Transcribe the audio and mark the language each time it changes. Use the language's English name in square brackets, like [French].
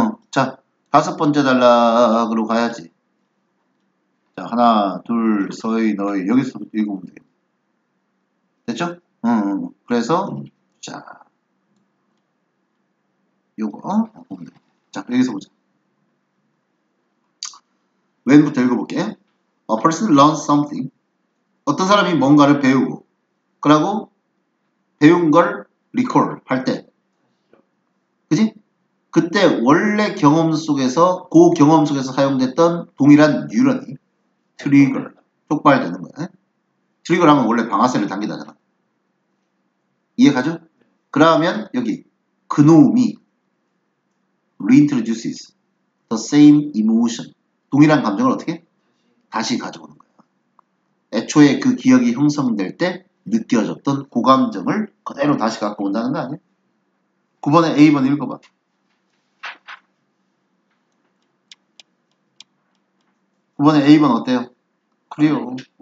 [Korean] 자, 다섯 번째 단락으로 가야지. 자, 하나, 둘, 서희, 너희, 여기서부터 읽으면 돼. 됐죠? 그래서, 자, 요거, 자, 여기서 보자. 왼부터 읽어볼게. [English] A person learns something. [Korean] 어떤 사람이 뭔가를 배우고, 그러고, 배운 걸 recall 할 때. 그지? 그때 원래 경험 속에서, 그 경험 속에서 사용됐던 동일한 뉴런이 트리거, 촉발되는 거야. 트리거 하면 원래 방아쇠를 당기다잖아. 이해 가죠? 그러면 여기, 그놈이 [English] reintroduces the same emotion. [Korean] 동일한 감정을 어떻게? 다시 가져오는 거야. 애초에 그 기억이 형성될 때 느껴졌던 고감정을 그대로 다시 갖고 온다는 거 아니야? 9번에 A번 읽어봐. 9번에 A번 어때요? 그래요.